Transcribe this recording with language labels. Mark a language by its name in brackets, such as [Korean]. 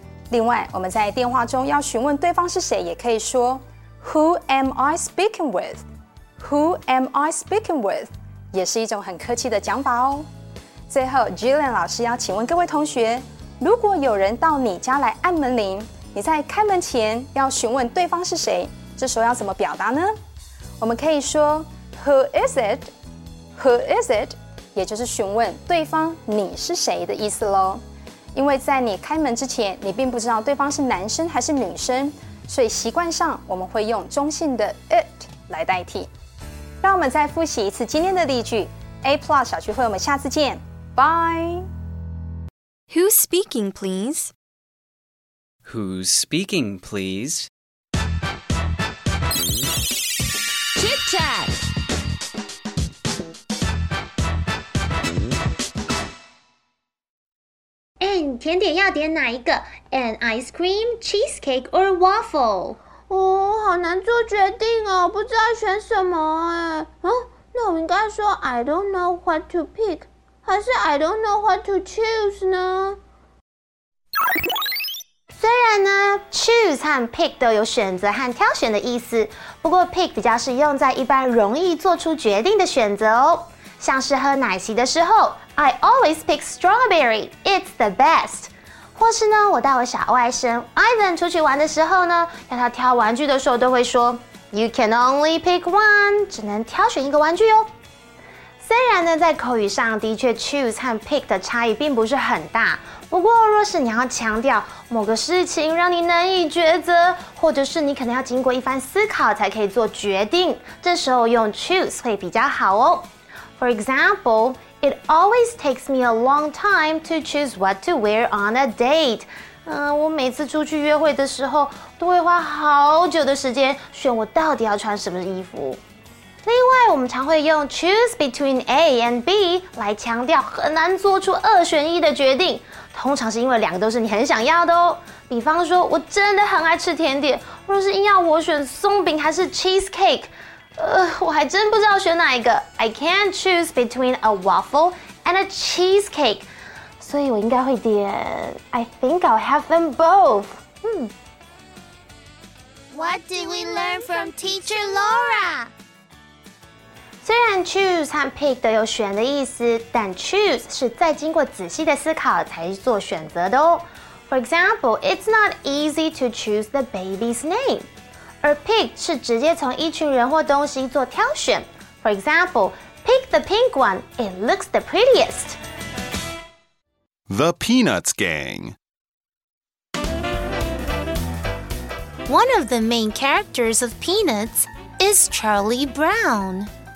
[Chinese] 另外我们在电话中要询问对方是谁，也可以说 [English] Who am I speaking with? Who am I speaking with? [Chinese] 也是一种很客气的讲法哦。最后 Jillian 老师要请问各位同学，如果有人到你家来按门铃，你在开门前要询问对方是谁，这时候要怎么表达呢？我们可以说 [English] Who is it? Who is it? [Chinese] 也就是询问对方你是谁的意思咯。因为在你开门之前，你并不知道对方是男生还是女生，所以习惯上我们会用中性的 it 来代替。让我们再复习一次今天的例句。A Plus 小聚会，我们下次见。 [English] Bye. Who's speaking, please? Who's speaking, please? Chit chat. And [Chinese] 甜点要点哪一个 [English] ？An ice cream, cheesecake, or waffle？ [Chinese] 哦，好难做决定哦，不知道选什么哎。哦，那我应该说 [English] I don't know what to pick， [Chinese] 还是 [English] I don't know what to choose 呢？ [Chinese] 虽然呢 ，choose 和 pick 都有选择和挑选的意思，不过 pick 比较是用在一般容易做出决定的选择哦。像是喝奶昔的时候 ， [English] I always pick strawberry. It's the best. [Chinese] 或是呢，我带我小外甥 Ivan 出去玩的时候呢，要他挑玩具的时候，都会说 ， [English] You can only pick one. [Chinese] 只能挑选一个玩具哦。虽然呢，在口语上的确 choose 和 pick 的差异并不是很大，不过若是你要强调某个事情让你难以抉择，或者是你可能要经过一番思考才可以做决定，这时候用 choose 会比较好哦。 [English] For example, it always takes me a long time to choose what to wear on a date. [Chinese] 我每次出去约会的时候都会花好久的时间选我到底要穿什么衣服。另外我们常会用 [English] choose between A and B [Chinese] 来强调很难做出二选一的决定，通常是因为两个都是你很想要的哦。比方说我真的很爱吃甜点，若是硬要我选松饼还是 cheesecake，我还真不知道选哪一个。 [English] I can't choose between a waffle and a cheesecake. [Chinese] 所以我应该会点 [English] I think I'll have them both. What did we learn from teacher Laura? [Chinese] 虽然 choose 和 pick 都有选的意思，但 choose 是再经过仔细的思考才做选择的哦。 [English] For example, it's not easy to choose the baby's name. [Chinese] 而 pick 是直接从一群人或东西做挑选。 [English] For example, pick the pink one. It looks the prettiest. The Peanuts Gang. One of the main characters of Peanuts is Charlie Brown.